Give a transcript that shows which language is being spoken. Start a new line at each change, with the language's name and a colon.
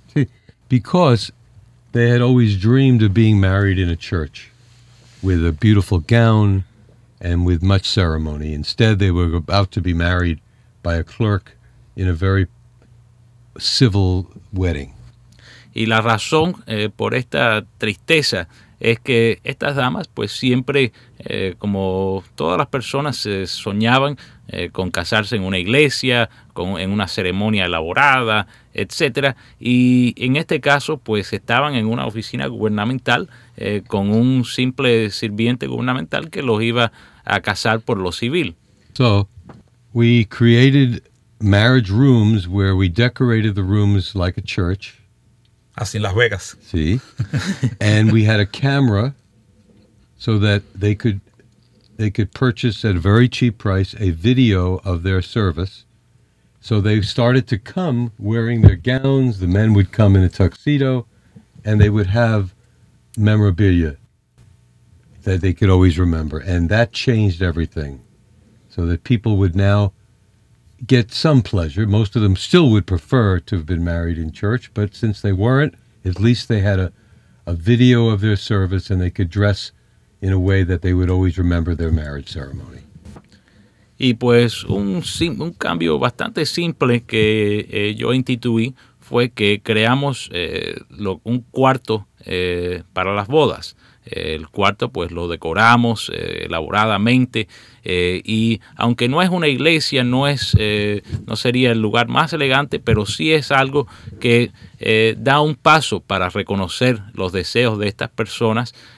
Spanish: Sí,
English: because they had always dreamed of being married in a church with a beautiful gown and with much ceremony. Instead, they were about to be married by a clerk in a very civil wedding.
Spanish: Y la razón por esta tristeza es que estas damas, pues siempre, como todas las personas, soñaban con casarse en una iglesia, en una ceremonia elaborada, etcétera. Y en este caso, pues estaban en una oficina gubernamental con un simple sirviente gubernamental que los iba a casar por lo civil.
English: So, we created marriage rooms where we decorated the rooms like a church.
Spanish: Así en Las Vegas. Sí.
English: And we had a camera so that they could purchase at a very cheap price a video of their service. So they started to come wearing their gowns. The men would come in a tuxedo and they would have memorabilia that they could always remember. And that changed everything so that people would now get some pleasure. Most of them still would prefer to have been married in church, but since they weren't, at least they had a video of their service and they could dress in a way that they would always remember their marriage ceremony.
Spanish: Y pues un cambio bastante simple que yo instituí fue que creamos un cuarto para las bodas. El cuarto pues lo decoramos elaboradamente y aunque no es una iglesia, no sería el lugar más elegante, pero sí es algo que da un paso para reconocer los deseos de estas personas.